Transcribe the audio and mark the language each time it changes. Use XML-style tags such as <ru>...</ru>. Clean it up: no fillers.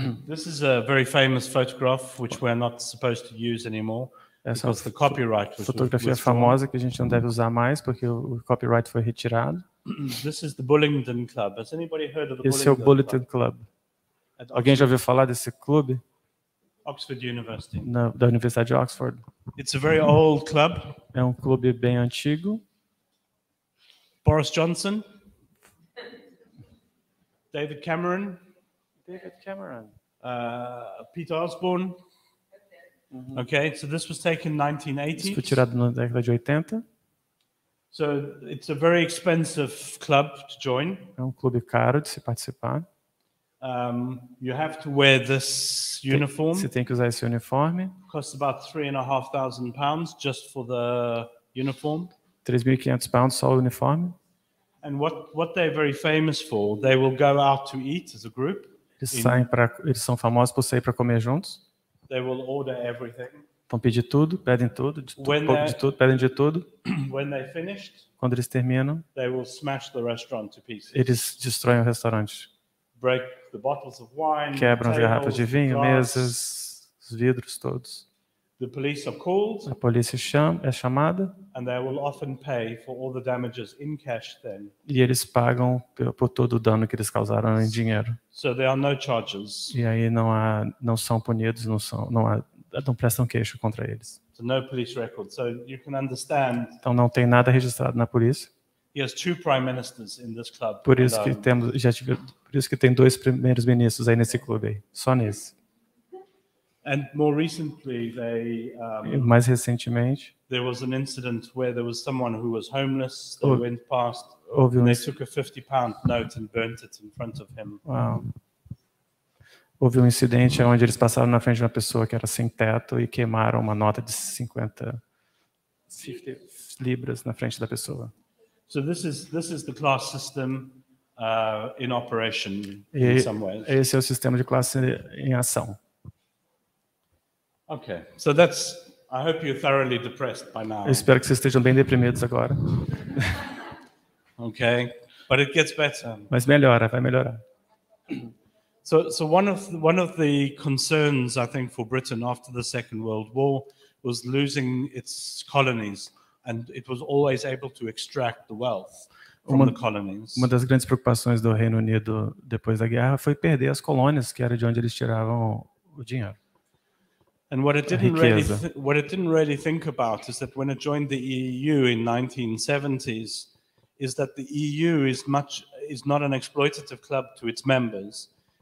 <en>This is a very famous photograph which we're not supposed to use anymore.</en> <pt>essa</pt> <en>the copyright was</en> <pt>fotografia famosa que a gente não deve usar mais porque o copyright foi retirado.</pt> <en>This is the Bullingdon Club. Has anybody heard of the</en> <pt>Esse é o Bulletin Club. Alguém já ouviu falar desse clube?</pt> <en>Oxford University.</en> <pt>Da Universidade de Oxford.</pt> <en>It's a very old club.</en> <pt>É um clube bem antigo.</pt> <en>Boris Johnson. David Cameron. David Cameron. Peter Osborne. Mm-hmm. Okay, so this was taken in 1980.</en> <pt>Isso foi tirado na década de 80.</pt> <en>So it's a very expensive club to join.</en> <pt>É um clube caro de se participar.</pt> <en>You have to wear this uniform.</en> <pt>Você tem que usar esse uniforme.</pt> <en>Costs about £3,500 just for the uniform.</en> <pt>£3,500 só o uniforme.</pt> <en>And what they're very famous for, they will go out to eat as a group.</en> <pt>Eles são famosos por sair para comer juntos.</pt> <en>They will order everything.</en> <pt>Vão pedir tudo, pedem tudo, pedem de tudo.</pt> <en>When they finished,</en> <pt>quando eles terminam,</pt> <en>they will smash the restaurant to pieces.</en> <pt>Eles destroem o restaurante.</pt> <en>Break the bottles of wine,</en> <pt>quebram as garrafas de vinho, mesas, os vidros todos.</pt> <en>The police are called,</en> <pt>a polícia é chamada.</pt> <en>And they will often pay for all the damages in cash then.</en> <pt>E eles pagam por todo o dano que eles causaram em dinheiro.</pt> <en>So there are no charges.</en> <pt>E aí não são punidos, não prestam queixo contra eles.</pt> <en>So no police record. So you can understand.</en> <pt>Então não tem nada registrado na polícia.</pt> <en>He has two prime ministers in this club.</en> <pt>Por isso que por isso que tem dois primeiros ministros aí nesse clube aí, só nesse.</pt> <en>And more recently, they.</en> <pt>Mais recentemente.</pt> <en>There was an incident where there was someone who was homeless. They went past. And they took a £50 note and burnt it in front of him. Wow.</en> <pt>Houve um incidente onde eles passaram na frente de uma pessoa que era sem teto e queimaram uma nota de 50 libras na frente da pessoa.</pt> <en>So this is the class system in operation in some ways.</en> <pt>Esse é o sistema de classe em ação.</pt> <en>Okay. So that's I hope you're thoroughly depressed by now.</en> <pt>Espero que vocês estejam bem deprimidos agora.</pt> <en>Okay. But it gets better.</en> <pt>Mas melhora, vai melhorar.</pt> <en>So one of the concerns I think for Britain after the Second World War was losing its colonies. And it was always able to extract the wealth from the colonies.</en> <pt>Uma das grandes preocupações do Reino Unido depois da guerra foi perder as colônias, que era de onde eles tiravam o dinheiro.</pt> <en>And what it didn't really think about is that when it joined the EU in 1970s, is that the EU is not an exploitative club to its members.</en>